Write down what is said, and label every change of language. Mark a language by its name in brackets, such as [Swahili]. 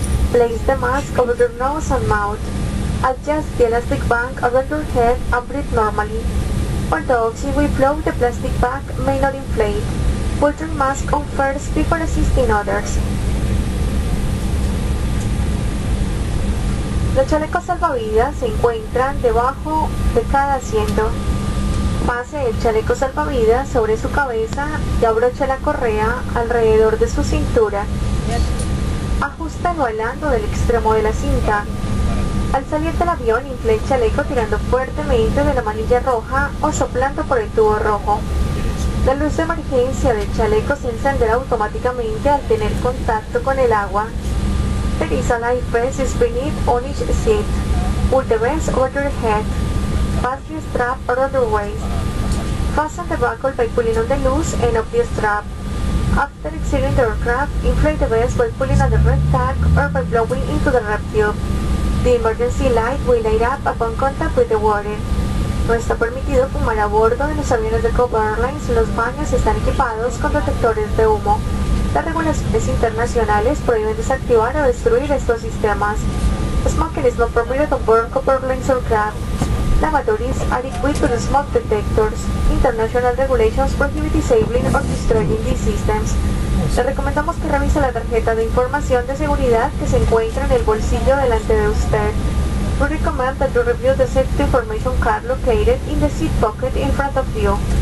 [English] Place the mask over your nose and mouth. Adjust the elastic band under your head and breathe normally. Although oxygen will flow, the plastic bag may not inflate. Put your mask on first before assisting others. [Spanish] Los chalecos salvavidas se encuentran debajo de cada asiento. Pase el chaleco salvavidas sobre su cabeza y abroche la correa alrededor de su cintura. Ajusta el volando del extremo de la cinta. Al salir del avión, infle el chaleco tirando fuertemente de la manilla roja o soplando por el tubo rojo. La luz de emergencia del chaleco se encenderá automáticamente al tener contacto con el agua. [English] There is a life vest beneath on each seat. Put the vest over your head. Pass the strap around your waist. Fasten the buckle by pulling on the loose end of the strap. After exiting the aircraft, inflate the vest by pulling on the red tag or by blowing into the red tube. The emergency light will light up upon contact with the water. [Spanish] No está permitido fumar a bordo de los aviones de Copa Airlines. Los baños están equipados con detectores de humo. Las regulaciones internacionales prohíben desactivar o destruir estos sistemas. [English] Smoking is not permitted on board Copa Airlines aircraft. Lavatories are equipped with smoke detectors. International regulations prohibit disabling or destroying these systems. [Spanish] Le recomendamos que revise la tarjeta de información de seguridad que se encuentra en el bolsillo delante de usted. [English] We recommend that you review the safety information card located in the seat pocket in front of you.